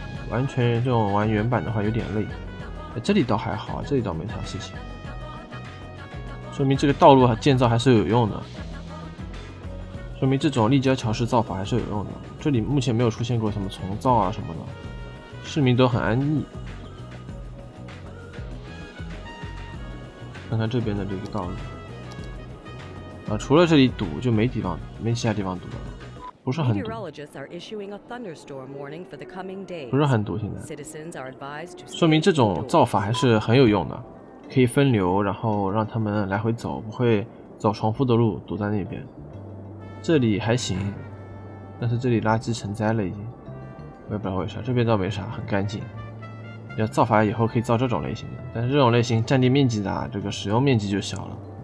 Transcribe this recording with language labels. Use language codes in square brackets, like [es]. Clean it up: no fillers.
[zh] 完全这种玩原版的话有点累。这里倒还好，这里倒没啥事情，说明这个道路建造还是有用的，说明这种立交桥式造法还是有用的。这里目前没有出现过什么重造啊什么的，市民都很安逸。看看这边的这个道路啊，除了这里堵就没地方，没其他地方堵了，不是很堵。 [en] Meteorologists are issuing a thunderstorm warning for the coming days. [zh] 不是很堵，现在。 [en] Citizens are advised to. [zh] 说明这种造法还是很有用的，可以分流，然后让他们来回走，不会走重复的路堵在那边。这里还行，但是这里垃圾成灾了已经，我也不知道为啥。这边倒没啥，很干净。要造法以后可以造这种类型的，但是这种类型占地面积大，这个使用面积就小了。